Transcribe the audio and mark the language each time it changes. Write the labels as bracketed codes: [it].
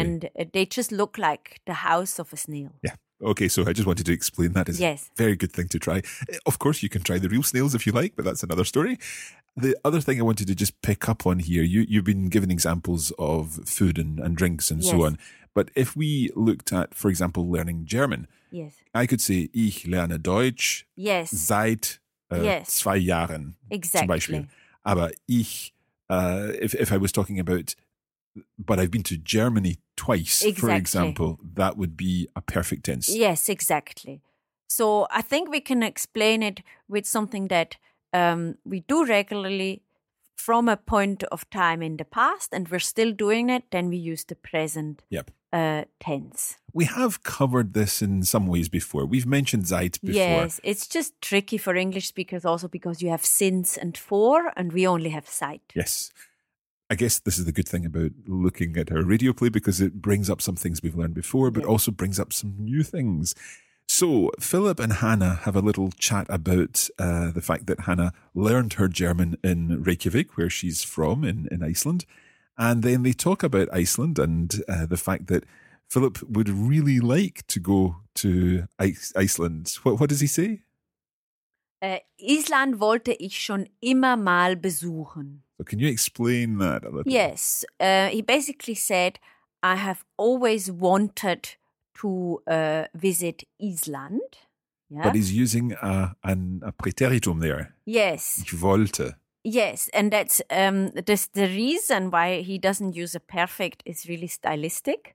[en] And they just look like the house of a snail. Yeah. Okay, so I just wanted to explain that is a very good thing to try. Of course, you can try the real snails if you like, but that's another story. The other thing I wanted to just pick up on here, you've been given examples of food and drinks and so on. But if we looked at, for example, learning German, I could say, [de] ich lerne Deutsch seit zwei Jahren, zum Beispiel. Aber ich, [en] if I was talking about, but I've been to Germany twice, for example, that would be a perfect tense. Yes, exactly. So I think we can explain it with something that we do regularly from a point of time in the past and we're still doing it, then we use the present tense. We have covered this in some ways before. We've mentioned Zeit before. Yes, it's just tricky for English speakers also because you have since and for and we only have Zeit. Yes. I guess this is the good thing about looking at our radio play because it brings up some things we've learned before, but also brings up some new things. So Philip and Hannah have a little chat about the fact that Hannah learned her German in Reykjavik, where she's from in Iceland. And then they talk about Iceland and the fact that Philip would really like to go to Iceland. What does he say? [de] Island wollte ich schon immer mal besuchen. [en] So can you explain that a little? Yes. He basically said, I have always wanted to visit Island. Yeah? But he's using a preteritum there. Yes. [de] Ich wollte. [en] Yes. And that's the reason why he doesn't use a perfect is really stylistic.